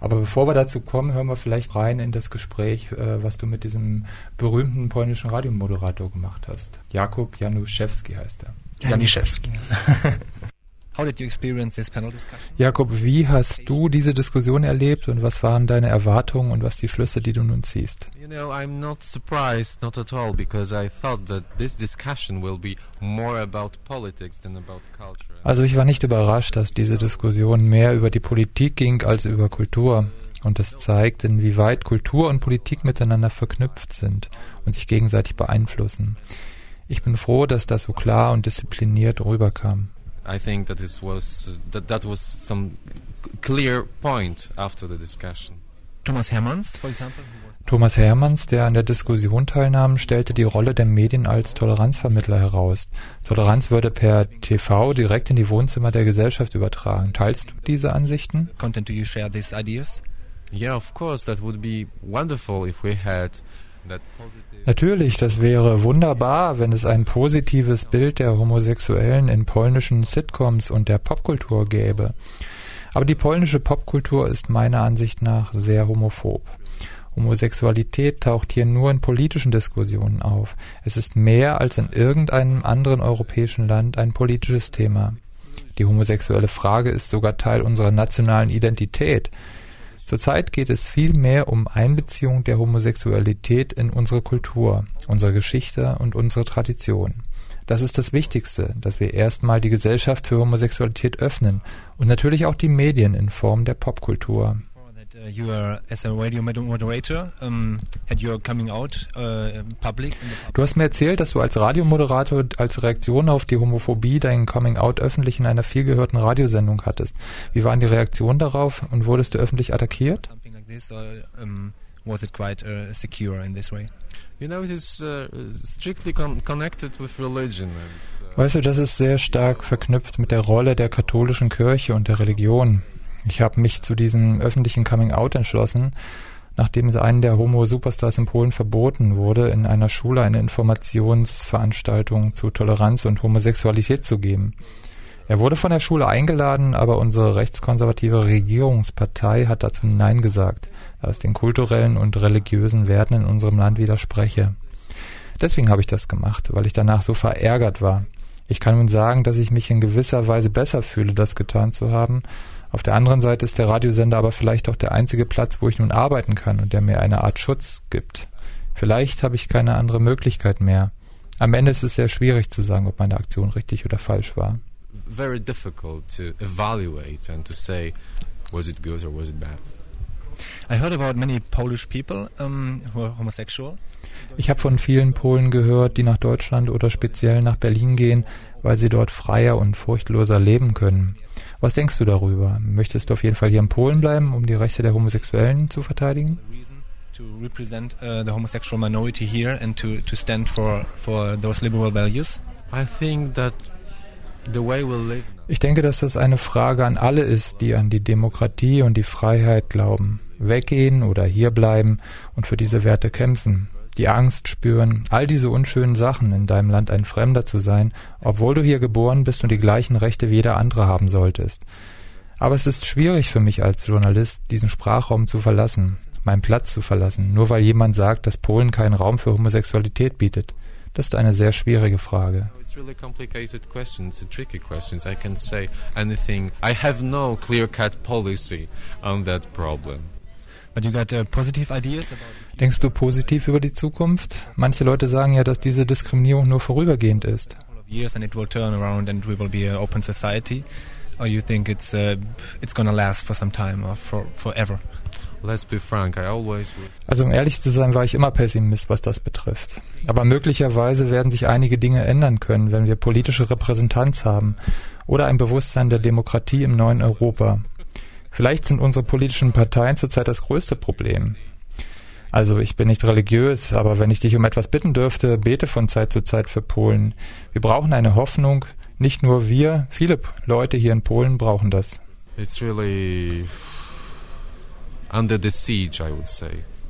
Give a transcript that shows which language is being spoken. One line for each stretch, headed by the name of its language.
German: Aber bevor wir dazu kommen, hören wir vielleicht rein in das Gespräch, was du mit diesem berühmten polnischen Radiomoderator gemacht hast. Jakub Januszewski heißt er. Januszewski.
English: How did you experience this panel discussion?
German: Jakub, wie hast du diese Diskussion erlebt und was waren deine Erwartungen und was die Schlüsse, die du nun ziehst?
English: You know, I'm not surprised, not at all, because I thought that this discussion will be more about politics than about culture.
German: Also ich war nicht überrascht, dass diese Diskussion mehr über die Politik ging als über Kultur. Und das zeigt, inwieweit Kultur und Politik miteinander verknüpft sind und sich gegenseitig beeinflussen. Ich bin froh, dass das so klar und diszipliniert rüberkam.
English: I think that it was that was some clear point after the discussion. Thomas Hermanns, for example.
German: Thomas Hermanns, der an der Diskussion teilnahm, stellte die Rolle der Medien als Toleranzvermittler heraus. Toleranz würde per TV direkt in die Wohnzimmer der Gesellschaft übertragen. Teilst du diese Ansichten?
English: Content, do you share these ideas? Yeah, of course. That would be wonderful if we had.
German: Natürlich, das wäre wunderbar, wenn es ein positives Bild der Homosexuellen in polnischen Sitcoms und der Popkultur gäbe. Aber die polnische Popkultur ist meiner Ansicht nach sehr homophob. Homosexualität taucht hier nur in politischen Diskussionen auf. Es ist mehr als in irgendeinem anderen europäischen Land ein politisches Thema. Die homosexuelle Frage ist sogar Teil unserer nationalen Identität. Zurzeit geht es viel mehr um Einbeziehung der Homosexualität in unsere Kultur, unsere Geschichte und unsere Tradition. Das ist das Wichtigste, dass wir erstmal die Gesellschaft für Homosexualität öffnen und natürlich auch die Medien in Form der Popkultur.
English: You are as a radio moderator, had you coming out public.
German: Du hast mir erzählt, dass du als Radiomoderator als Reaktion auf die Homophobie dein Coming Out öffentlich in einer vielgehörten Radiosendung hattest. Wie waren die Reaktionen darauf und wurdest du öffentlich attackiert?
English: Something like this, or, was it quite secure in this way? You know, it is strictly connected with religion.
German: Weißt du, das ist sehr stark verknüpft mit der Rolle der katholischen Kirche und der Religion. Ich habe mich zu diesem öffentlichen Coming-out entschlossen, nachdem einen der Homo-Superstars in Polen verboten wurde, in einer Schule eine Informationsveranstaltung zu Toleranz und Homosexualität zu geben. Er wurde von der Schule eingeladen, aber unsere rechtskonservative Regierungspartei hat dazu Nein gesagt, da es den kulturellen und religiösen Werten in unserem Land widerspreche. Deswegen habe ich das gemacht, weil ich danach so verärgert war. Ich kann nun sagen, dass ich mich in gewisser Weise besser fühle, das getan zu haben. Auf der anderen Seite ist der Radiosender aber vielleicht auch der einzige Platz, wo ich nun arbeiten kann und der mir eine Art Schutz gibt. Vielleicht habe ich keine andere Möglichkeit mehr. Am Ende ist es sehr schwierig zu sagen, ob meine Aktion richtig oder falsch war.
English: Very difficult to evaluate and to say, was it good or was it bad? I heard about many Polish people who are homosexual.
German: Ich habe von vielen Polen gehört, die nach Deutschland oder speziell nach Berlin gehen, weil sie dort freier und furchtloser leben können. Was denkst du darüber? Möchtest du auf jeden Fall hier in Polen bleiben, um die Rechte der Homosexuellen zu verteidigen?
English: To represent the homosexual minority here and to stand for those liberal values? I think that the way we live.
German: Ich denke, dass das eine Frage an alle ist, die an die Demokratie und die Freiheit glauben. Weggehen oder hier bleiben und für diese Werte kämpfen. Die Angst spüren, all diese unschönen Sachen, in deinem Land ein Fremder zu sein, obwohl du hier geboren bist und die gleichen Rechte wie jeder andere haben solltest. Aber es ist schwierig für mich als Journalist, diesen Sprachraum zu verlassen, meinen Platz zu verlassen, nur weil jemand sagt, dass Polen keinen Raum für Homosexualität bietet. Das ist eine sehr schwierige Frage.
English: It's really complicated questions, a tricky questions. I can say anything. I have no clear-cut policy on that problem. But you got positive ideas about.
German: Denkst du positiv über die Zukunft? Manche Leute sagen ja, dass diese Diskriminierung nur vorübergehend ist.
English: Years and it will turn around and we will be an open society. Or you think it's gonna last for some time or for forever? Let's be frank, I always.
German: Also um ehrlich zu sein, war ich immer Pessimist, was das betrifft. Aber möglicherweise werden sich einige Dinge ändern können, wenn wir politische Repräsentanz haben oder ein Bewusstsein der Demokratie im neuen Europa. Vielleicht sind unsere politischen Parteien zurzeit das größte Problem. Also ich bin nicht religiös, aber wenn ich dich um etwas bitten dürfte, bete von Zeit zu Zeit für Polen. Wir brauchen eine Hoffnung. Nicht nur wir, viele Leute hier in Polen brauchen das.
English: It's really under the siege, I would say.